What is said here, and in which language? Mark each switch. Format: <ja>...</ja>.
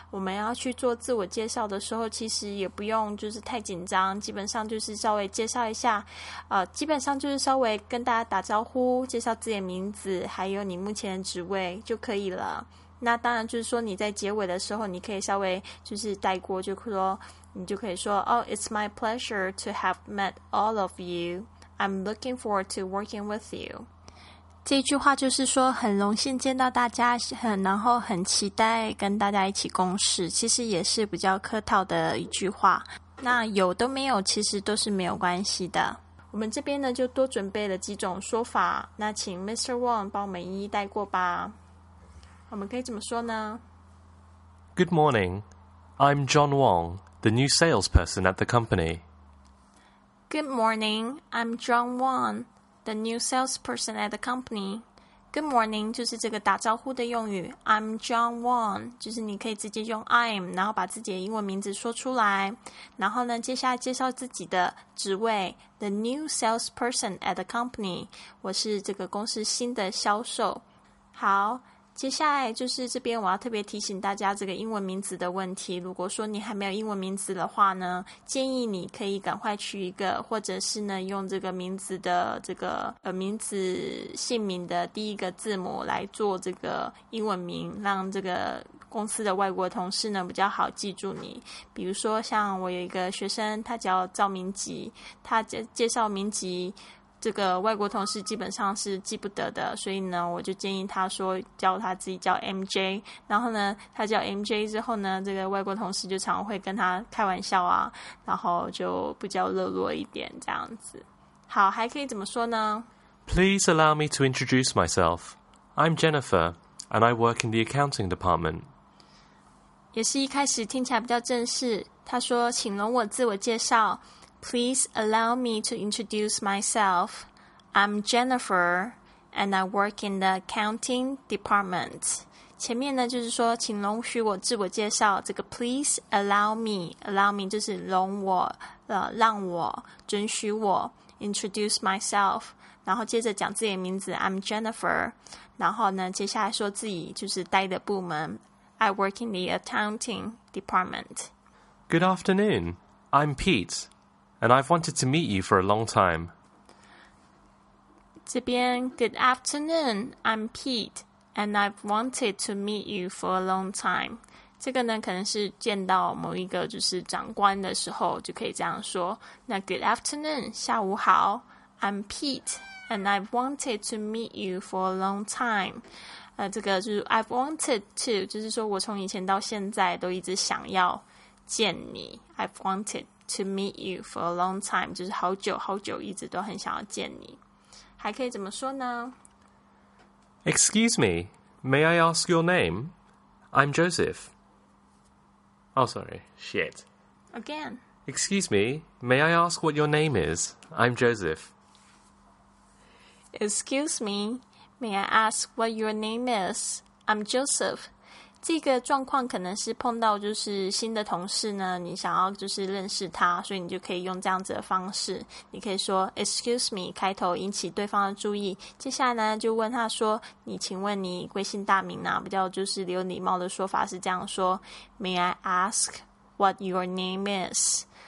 <zh>我们要去做自我介绍的时候，其实也不用就是太紧张，基本上就是稍微介绍一下，基本上就是稍微跟大家打招呼，介绍自己的名字，还有你目前的职位就可以了。那当然就是说你在结尾的时候，你可以稍微就是带过，就说你就可以说</zh> <en>Oh, it's my pleasure to have met all of you. I'm looking forward to working with you.</en> <zh>这句话就是说很荣幸见到大家，然后很期待跟大家一起共事，其实也是比较客套的一句话。那有都没有其实都是没有关系的。我们这边呢就多准备了几种说法，那请 Mr. Wong 帮我们一一带过吧。我们可以怎么说呢？</zh> <en>Good morning. I'm John Wong, the new salesperson at the company. Good morning. I'm John Wong, the new salesperson at the company. Good morning</en> <zh>就是这个打招呼的用语。</zh> <en>I'm John Wong</en> <zh>就是你可以直接用 I'm 然后把自己的英文名字说出来。然后呢接下来介绍自己的职位</zh> <en>The new salesperson at the company.</en> <zh>我是这个公司新的销售。好，接下来就是这边我要特别提醒大家这个英文名字的问题。如果说你还没有英文名字的话呢，建议你可以赶快取一个，或者是呢用这个名字的这个名字姓名的第一个字母来做这个英文名，让这个公司的外国同事呢比较好记住你。比如说像我有一个学生，他叫赵明吉，他介绍明吉这个外国同事基本上是记不得的，所以呢我就建议他说叫他自己叫 MJ， 然后呢他叫 MJ 之后呢，这个外国同事就常会跟他开玩笑啊，然后就比较热络一点这样子。好，还可以怎么说呢？</zh> <en>Please allow me to introduce myself. I'm Jennifer and I work in the accounting department.</en> <zh>也是一开始听起来比较正式，他说请容我自我介绍。</zh> <en>Please allow me to introduce myself. I'm Jennifer, and I work in the accounting department.</en> <zh>前面呢，就是说，请容许我自我介绍。这个</zh> <en>please allow me</en> <zh>就是容我，让我，准许我</zh> <en>introduce myself.</en> <zh>然后接着讲自己的名字 ，</zh> <en>I'm Jennifer.</en> <zh>然后呢，接下来说自己就是待的部门 ，</zh> <en>I work in the accounting department. Good afternoon. I'm Pete. And I've wanted to meet you for a long time.</en> <zh>这边</zh> <en>Good afternoon, I'm Pete, and I've wanted to meet you for a long time.</en> <zh>这个呢，可能是见到某一个就是长官的时候就可以这样说。</zh> <en>那 Good afternoon,</en> <zh>下午好</zh> <en>I'm Pete, and I've wanted to meet you for a long time.</en> <zh>这个就是</zh> <en>I've wanted to，</en> <zh>就是说我从以前到现在都一直想要见你。</zh> <en>I've wanted. To meet you for a long time,</en> <zh>就是好久好久一直都很想要见你。还可以怎么说呢？</zh> <en>Excuse me, may I ask your name? I'm Joseph. Oh, sorry, shit. Again. Excuse me, may I ask what your name is? I'm Joseph. Excuse me, may I ask what your name is? I'm Joseph.</en> <zh>这个状况可能是碰到就是新的同事呢，你想要就是认识他，所以你就可以用这样子的方式，你可以说</zh> <en>excuse me</en> <zh>开头引起对方的注意，接下来呢就问他说你请问你贵姓大名啊，比较就是有礼貌的说法是这样说</zh> <en>may I ask what your name is，</en>